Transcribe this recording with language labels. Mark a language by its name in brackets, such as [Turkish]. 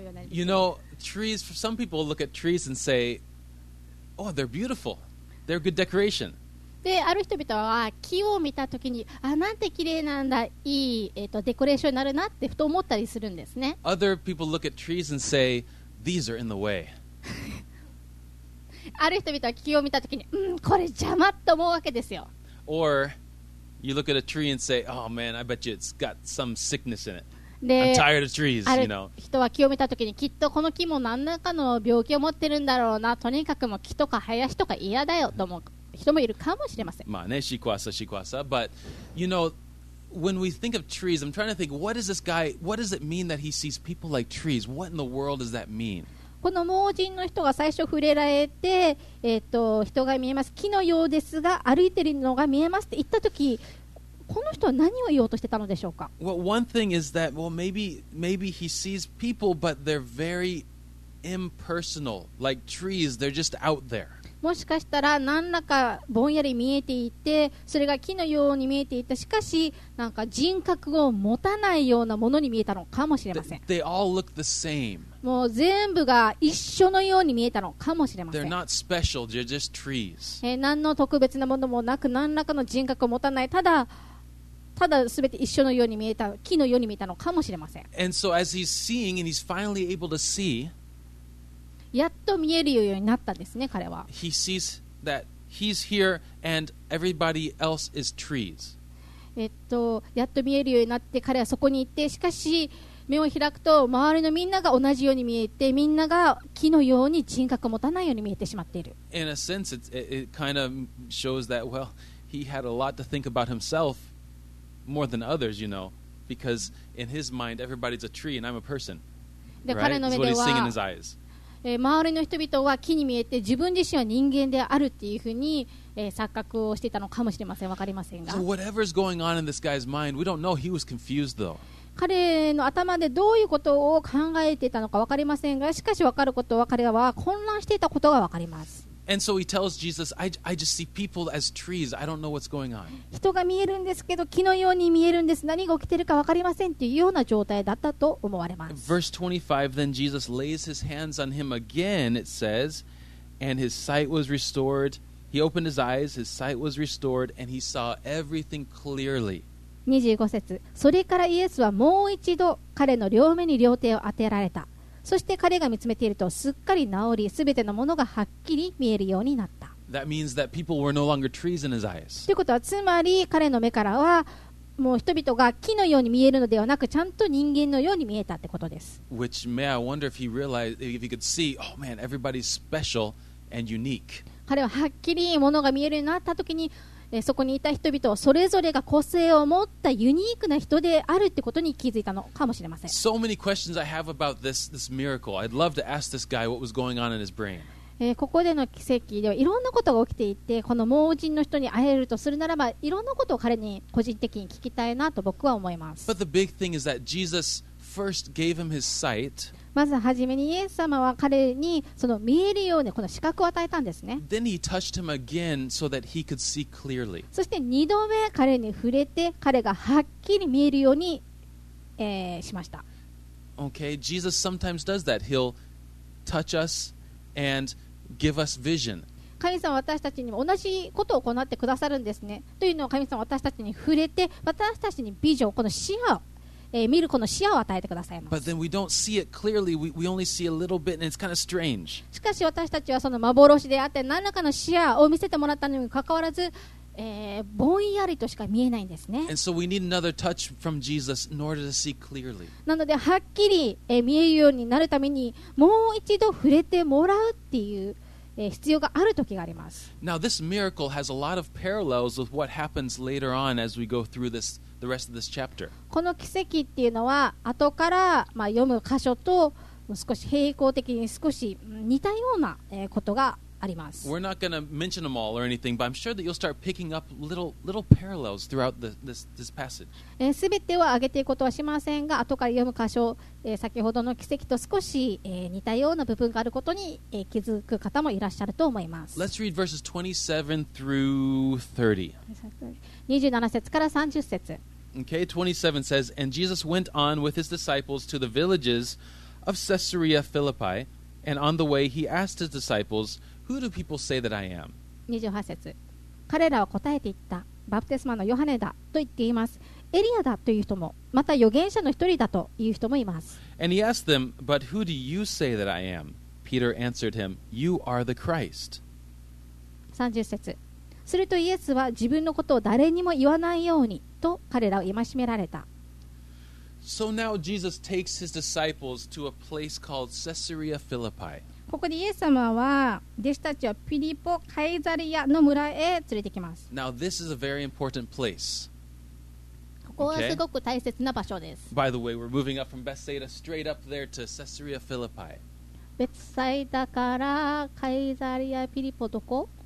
[English] You know, trees, some people look at trees and say, oh, they're beautiful. They're good decoration. [Japanese] で、ある人々は木を見たときに、あ、なんて綺麗なんだ、いい、デコレーションになるなってふと思ったりするんですね。 [English] Other people look at trees and say, these are in the way. [Japanese] ある人々は木を見たときに、これ邪魔と思うわけですよ。 [English] Or... You look at a tree and say, oh man, I bet you it's got some sickness in it. I'm tired of trees, you know. [Japanese] ある人は木を見たときに、きっとこの木も何らかの病気を持ってるんだろうな。とにかくも木とか林とか嫌だよと思う人もいるかもしれません。まあね、しこわさ、しこわさ。 [English] But, you know, when we think of trees, I'm trying to think, what is this guy, what does it mean that he sees people like trees? What in the world does that mean? [Japanese] この盲人の人が最初触れられて、人が見えます、木のようですが歩いているのが見えますって言ったとき、この人は何を言おうとしてたのでしょうか。 [English] Well, one thing is that, well, maybe he sees people, but they're very impersonal, like trees, they're just out there. [Japanese] もしかしたら何らかぼんやり見えていて、それが木のように見えていた、しかしなんか人格を持たないようなものに見えたのかもしれません。 [English] They all look the same. [Japanese] もう全部が一緒のように見えたのかもしれません。 [English] They're not special, they're just trees. [Japanese] 何の特別なものもなく何らかの人格を持たない、ただ全て一緒のように見えた、木のように見えたのかもしれません。 [English] And so as he's seeing and he's finally able to see, [Japanese] やっと見えるようになったんですね、彼は。 [English] He sees that he's here and everybody else is trees. [Japanese] やっと見えるようになって彼はそこに行って、しかし目を開くと周りのみんなが同じように見えて、みんなが木のように人格を持たないように見えてしまっている。 [English] In a sense, it kind of shows that, well, he had a lot to think about himself more than others, you know, because in his mind, everybody's a tree and I'm a person. [Japanese] で、彼の目では、 [English] what he's seeing in his eyes. [Japanese] 周りの人々は木に見えて、自分自身は人間であるっていうふうに、錯覚をしていたのかもしれません。わかりませんが。 [English] So whatever's going on in this guy's mind, we don't know. He was confused, though. [Japanese] 彼の頭でどういうことを考えていたのか分かりませんが、しかし分かることは彼は混乱していたことが分かります。 [English] And so he tells Jesus, I just see people as trees. I don't know what's going on. [Japanese] 人が見えるんですけど木のように見えるんです。何が起きているか分かりませんというような状態だったと思われます。 [English] Verse 25, then Jesus lays his hands on him again, it says, and his sight was restored. He opened his eyes, his sight was restored, and he saw everything clearly. [Japanese] 25節、それからイエスはもう一度彼の両目に両手を当てられた。そして彼が見つめているとすっかり治り、すべてのものがはっきり見えるようになった。 [English] That means that people were no longer trees in his eyes. [Japanese] ということはつまり彼の目からはもう人々が木のように見えるのではなくちゃんと人間のように見えたってことです。 [English] Which may I wonder if he realized, if he could see, oh man, everybody's special and unique. [Japanese] 彼ははっきりものが見えるようになったときに、そこにいた人々はそれぞれが個性を持ったユニークな人であるってことに気づいたのかもしれません。 [English] So many questions I have about this miracle. I'd love to ask this guy what was going on in his brain. [Japanese] ここでの奇跡ではいろんなことが起きていて、この盲人の人に会えるとするならば、いろんなことを彼に個人的に聞きたいなと僕は思います。 [English] But the big thing is that Jesus first gave him his sight. [Japanese] まずはじめにイエス様は彼にその見えるようにこの視覚を与えたんですね。 [English] Then he touched him again so that he could see clearly. [Japanese] そして二度目彼に触れて彼がはっきり見えるように、しました。 [English] Okay, Jesus sometimes does that. He'll touch us. And give us vision. [Japanese] 神様は私たちにも同じことを行ってくださるんですね。というのは神様は私たちに触れて私たちにビジョン、この視野を、見るこの視野を与えてくださいます。 [English] But then we don't see it clearly. We only see a little bit, and it's kind of strange. [Japanese] しかし私たちはその幻であって何らかの視野を見せてもらったのにかかわらず、ぼんやりとしか見えないんですね。 [English] And so we need another touch from Jesus in order to see clearly. [Japanese] なのではっきり、見えるようになるためにもう一度触れてもらうっていう、必要がある時があります。 [English] Now this miracle has a lot of parallels with what happens later on as we go through this, the rest of this chapter. [Japanese] この奇跡っていうのは後から、まあ、読む箇所と少し平行的に少し似たような、ことが [English] We're not going to mention them all or anything, but I'm sure that you'll start picking up little parallels throughout this passage. [Japanese] すべては挙げていくことはしませんが、後から読む箇所、先ほどの奇跡と少し、似たような部分があることに、気づく方もいらっしゃると思います。 [English] Let's read verses 27 through 30. [Japanese] 27節から30節。 [English] Okay, 27 says, And Jesus went on with his disciples to the villages of Caesarea Philippi, and on the way he asked his disciples,Who do people say that I am? [Japanese] 28節。彼らは答えて言った。バプテスマのヨハネだと言っています。エリアだという人も、また預言者の一人だという人もいます。 [English] And he asked them, But who do you say that I am? Peter answered him, You are the Christ. [Japanese] 30節。するとイエスは自分のことを誰にも言わないようにと彼らを戒められた。 [English] So now Jesus takes his disciples to a place called Caesarea Philippi. [Japanese] ここでイエス様は弟子たちをピリポ・カイザリアの村へ連れてきます。 [English] Now, this is a very important place. [Japanese] ここはすごく大切な場所です。 [English] Okay. By the way, we're moving up from Bethsaida straight up there to Caesarea Philippi. [Japanese] ベツサイダからカイザリア・ピリポどこ？